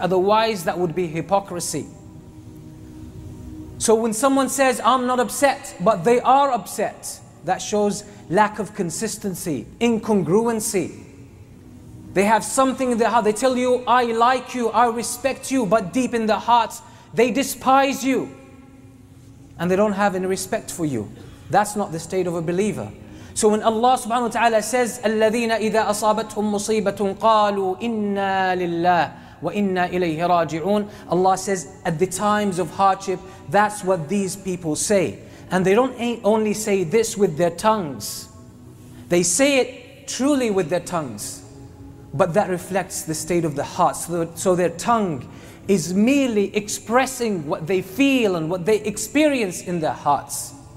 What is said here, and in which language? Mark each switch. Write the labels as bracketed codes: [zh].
[en] Otherwise, that would be hypocrisy. So when someone says, I'm not upset, but they are upset, that shows lack of consistency, incongruency. They have something in their heart. They tell you, I like you, I respect you, but deep in their hearts, they despise you. And they don't have any respect for you. That's not the state of a believer. So when Allah subhanahu wa ta'ala says, [ar] الَّذِينَ إِذَا أَصَابَتْهُمْ مُصِيبَةٌ قَالُوا إِنَّا لِلَّهِ وَإِنَّا إِلَيْهِ رَاجِعُونَ. [en] Allah says, at the times of hardship, that's what these people say. And they don't only say this with their tongues. They say it truly with their tongues. But that reflects the state of the heart. So their tongue is merely expressing what they feel and what they experience in their hearts.